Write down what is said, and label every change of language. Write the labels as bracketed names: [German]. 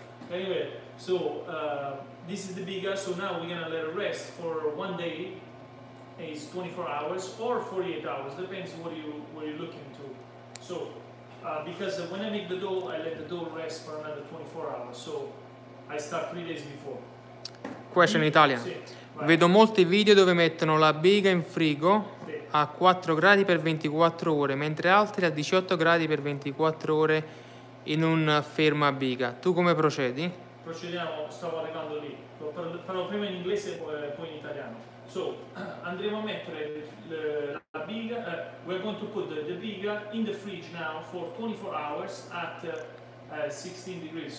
[English] Anyway, so this is the biga, so now we're gonna let it rest for one day. It's 24 hours or 48 hours, depends what you're looking to. So. Because when I make the dough, I let the dough rest for another 24 hours, so I start 3 days before. Question in Italian. [Italian] Sì, [English] right. [Italian] Vedo molti video dove mettono la biga in frigo a 4 gradi per 24 ore, mentre altri a 18 gradi per 24 ore in un ferma biga. Tu come procedi? Procediamo, stavo arrivando lì. Parlo prima in inglese e poi in italiano. [English] So, [Italian] andremo a mettere la biga, [English] we're going to put the biga in the fridge now for 24 hours at 16 degrees.